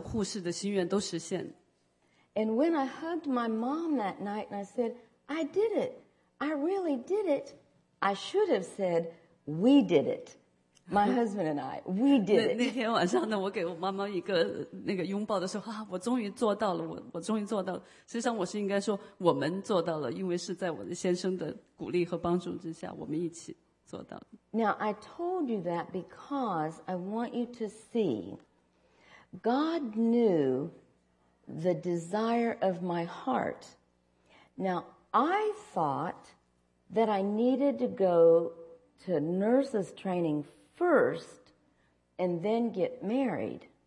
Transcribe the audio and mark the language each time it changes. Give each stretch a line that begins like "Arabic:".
Chinese: 所以呢，三年以后，我居然就从那个护士学校就毕业了。我的两个心愿，上大学和成为一个护士的心愿都实现。
English: And when I hugged my mom that night and I said, "I did it. I really did it," I should have said, "We did it. My husband and I, we did it."
Chinese: 那天晚上呢，我给我妈妈一个那个拥抱的时候，啊，我终于做到了，我终于做到了。实际上，我是应该说我们做到了，因为是在我的先生的鼓励和帮助之下，我们一起做到了。
English: Now I told you that because I want you to see, God knew the desire of my heart. Now I thought that I needed to go to nurses training first, and then get married.